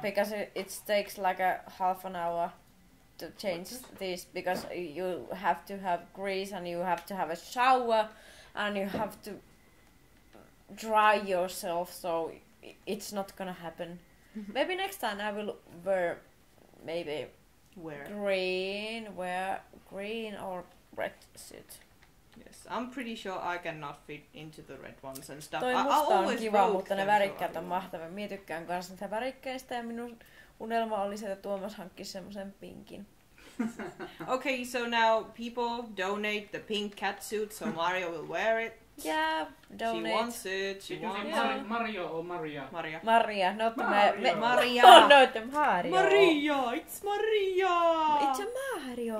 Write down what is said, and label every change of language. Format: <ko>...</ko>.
<en>Because it takes like a half an hour to change this, because you have to have grease and you have to have a shower and you have to dry yourself, so it's not gonna happen. Maybe next time I will wear maybe green or red suit. Yes, I'm pretty sure I cannot fit into the red ones and stuff. I always kiva,</en> <fi>mutta ne värikkäät on mahtavia. Mie tykkään kans niitä värikkäistä ja minun unelma oli se, että Tuomas hankkisi semmosen pinkin.</fi> <en>Okay, so now people donate the pink cat suit so Mario will wear it. Yeah, donate. She wants it. She did wants you say Mario or Maria? Maria. Maria, not Mario. Maria. Oh, no, it's Mario. Maria, it's Maria. It's a Mario.</en>